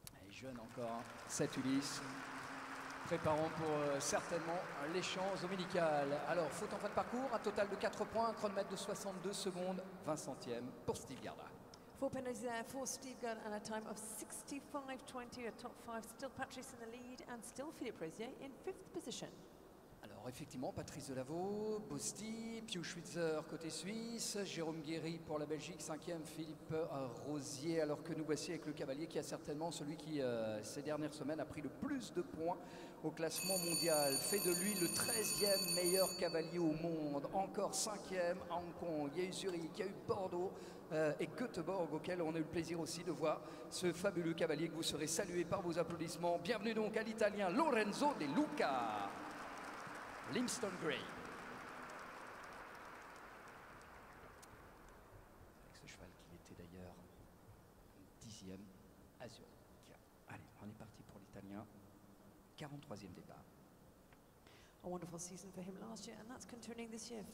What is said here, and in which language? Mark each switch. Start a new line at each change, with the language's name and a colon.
French: Jeune encore, cet Ulysse, préparant pour certainement l'échange dominicale. Alors, faute en fin de parcours, un total de 4 points, un chronomètre de 62 secondes, 20 centièmes pour Steve Garda.
English: 4 penalties there for Steve Garda and a time of 65-20, a top 5, still Patrice in the lead and still Philippe Rosier in 5th position.
French: Alors, Alors effectivement, Patrice Delavaux, Bosti, Pio Schwitzer côté suisse, Jérôme Guéry pour la Belgique, 5e, Philippe Rosier, alors que nous voici avec le cavalier qui a certainement celui qui, ces dernières semaines, a pris le plus de points au classement mondial. Fait de lui le 13e meilleur cavalier au monde, encore 5e à Hong Kong, il y a eu Zurich, il y a eu Bordeaux et Göteborg, auquel on a eu le plaisir aussi de voir ce fabuleux cavalier que vous serez salué par vos applaudissements. Bienvenue donc à l'italien Lorenzo De Luca. Limestone Grey. Avec ce cheval qui était d'ailleurs 10e à Zurich. Allez, on est parti pour l'italien. 43e départ.
English: A wonderful season for him last year, and that's continuing this year.